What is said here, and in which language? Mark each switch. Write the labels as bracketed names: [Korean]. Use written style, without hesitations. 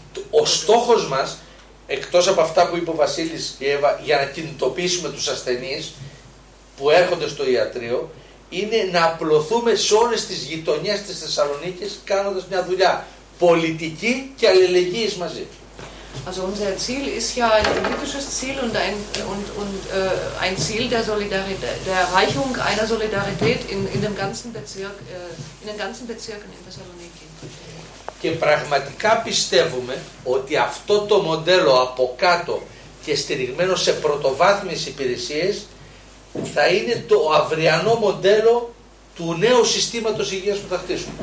[Greek] Ο στόχος μας, εκτός από αυτά που είπε ο Βασίλης και η Εύα, για να κινητοποιήσουμε τους ασθενείς που έρχονται στο ιατρείο, είναι να απλωθούμε σε όλες τις γειτονιές της Θεσσαλονίκης κάνοντας μια δουλειά πολιτική και αλληλεγγύης μαζί. [German] Also unser Ziel ist ja ein politisches Ziel und ein Ziel der Solidarität, der Erreichung einer Solidarität in den ganzen Bezirken in Thessaloniki. [Greek] Και πραγματικά πιστεύουμε ότι αυτό το μοντέλο από κάτω και στηριγμένο σε πρωτοβάθμιες υπηρεσίες θα είναι το αυριανό μοντέλο του νέου συστήματος υγείας που θα χτίσουμε.